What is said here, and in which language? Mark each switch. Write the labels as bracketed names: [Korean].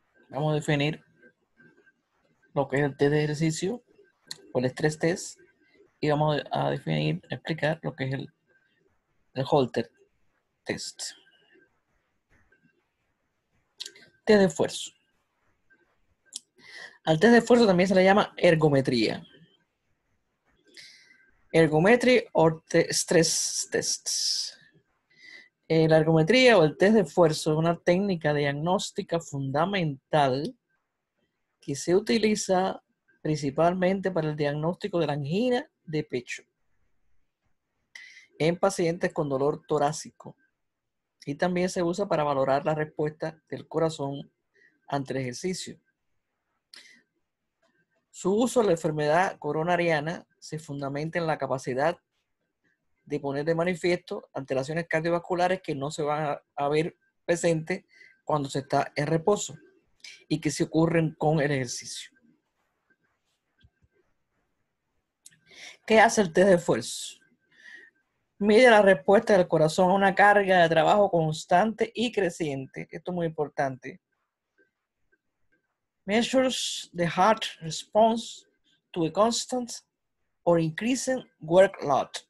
[Spanish] Vamos a definir lo que es el test de ejercicio o el stress test y vamos a definir, a explicar lo que es el Holter test. Test de esfuerzo. Al test de esfuerzo también se le llama ergometría. [English] Ergometry or stress tests. [Spanish] La ergometría o el test de esfuerzo es una técnica diagnóstica fundamental que se utiliza principalmente para el diagnóstico de la angina de pecho en pacientes con dolor torácico. Y también se usa para valorar la respuesta del corazón ante el ejercicio. Su uso en la enfermedad coronariana se fundamenta en la capacidad de poner de manifiesto alteraciones cardiovasculares que no se van a ver presentes cuando se está en reposo y que se ocurren con el ejercicio. ¿Qué hace el test de esfuerzo? Mide la respuesta del corazón a una carga de trabajo constante y creciente. Esto es muy importante. [English] Measures the heart response to a constant or increasing workload.